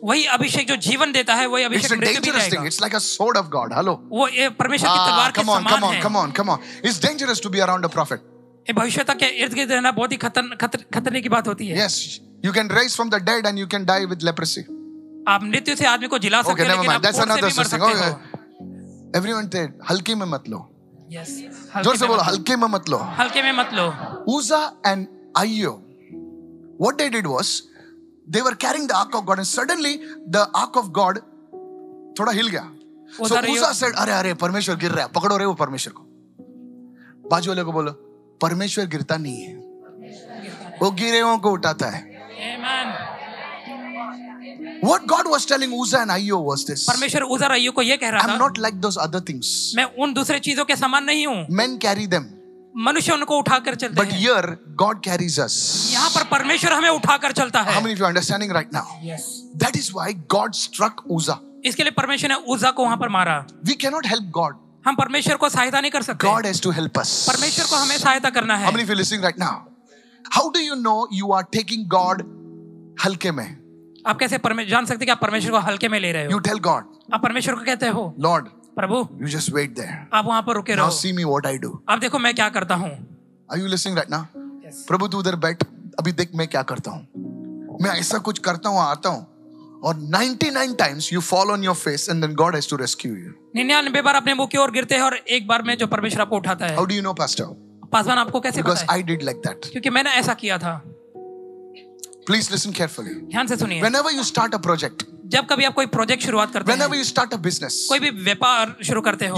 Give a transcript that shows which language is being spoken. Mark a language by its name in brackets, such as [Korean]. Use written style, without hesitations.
[Hindi] वही अभिषेक जो जीवन देता है वही अभिषेक मृत्यु भी देगा। [English] It's dangerous thing. It's like a sword of God. Hello. [Hindi] वो ये परमेश्वर की तलवार के समान है। [English] Come on. It's dangerous to be around a prophet. [Hindi] भविष्यता के इर्द गिर्द रहना बहुत ही खतरे की बात होती है. [English] Yes, you can raise from the dead and you can die with leprosy. [Hindi] आप मृत्यु से आदमी को जिला सकते हैं, लेकिन आप कोर से भी मर सकते हो. [English] Everyone said, [Hindi] हल्के में मत लो. [English] Yes. [Hindi] जोर से बोलो, हल्के में मत लो. हल्के में मत लो. [English] Uzzah and Ahio, what they did was, they were carrying the ark of God and suddenly the ark of God [Hindi] थोड़ा हिल गया. [English] So Uzzah said, [Hindi] अरे अरे परमेश्वर गिर रहा है, पकड़ो रे वो परमेश्वर को. बाजू वाले को बोलो, परमेश्वर गिरता नहीं है, वो गिरेओं को उठाता है. [English] Amen. What God was telling Uzzah and Ahio was this. [Hindi] परमेश्वर उज़ा और अय्यो को ये कह रहा था. [English] I'm not like those other things. [Hindi] मैं उन दूसरे चीजों के समान नहीं हूँ. [English] Men carry them. [Hindi] मनुष्य उनको उठाकर चलते हैं. [English] But here God carries us. [Hindi] यहाँ पर परमेश्वर हमें उठाकर चलता है. [English] How many of you understanding right now? Yes. That is why God struck Uzzah. [Hindi] इसके लिए परमेश्वर ने उज़ा को वहाँ पर मारा. [English] We cannot help God. [Hindi] हम परमेश्वर को सहायता नहीं कर सकते. [English] God has to help us. [Hindi] परमेश्वर को हमें सहायता करना है. [English] How many of you listening right now? How do you know you are taking God [Hindi] हल्के में? आप कैसे जान सकते हैं कि आप परमेश्वर को हल्के में ले रहे हो? [English] You tell God. [Hindi] आप परमेश्वर को कहते हो? [English] Lord. [Hindi] Prabhu. [English] You just wait there. [Hindi] आप वहाँ पर रुके रहो. [English] Now see me what I do. [Hindi] आप देखो मैं क्या करता हूँ. [English] Are you listening right now? Yes. [Hindi] प्रभु तू उधर बैठ, अभी देख मैं क्या करता हूँ. मैं ऐसा कुछ करता हूँ, आता हूँ. और [English] 99 times you fall on your face and then God has to rescue you. [Hindi] 99 बार अपने मुंह की ओर गिरते हैं और एक बार में जो परमेश्वर आपको उठाता है. [English] How do you know, Pastor? [Hindi] Paswan आपको कैसे [English] Because [Hindi] पता है? [English] I did like that. [Hindi] क्योंकि मैंने ऐसा किया था. [English] Please listen carefully. [Hindi] ध्यान से सुनिए. [English] Whenever you start a project. [Hindi] जब कभी आप कोई प्रोजेक्ट शुरुआत करते हैं. [English] Whenever you start a business. [Hindi] कोई भी व्यापार शुरू करते हो.